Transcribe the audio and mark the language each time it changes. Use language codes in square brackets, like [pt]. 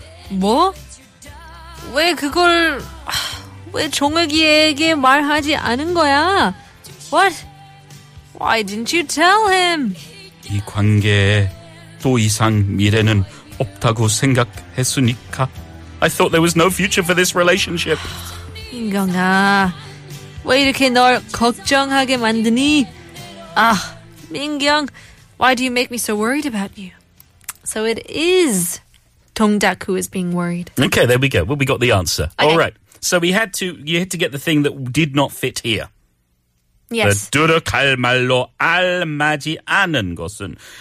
[ko] 뭐? 왜 그걸 왜 종혁이에게 말하지 않은 거야? [en] What? Why didn't you tell him? [ko] 이 관계에 또 이상 미래는 없다고 생각했으니까. [en] I thought there was no future for this relationship. [ko] 민경아, 왜 이렇게 널 걱정하게 만드니? 아, 민경, [en] why do you make me so worried about you? So it is Tongtak who is being worried. Okay, there we go. Well, we got the answer. Okay. All right. So you had to get the thing that did not fit here. Yes. [ko] 두룩할 말로 알맞이 않은 것은.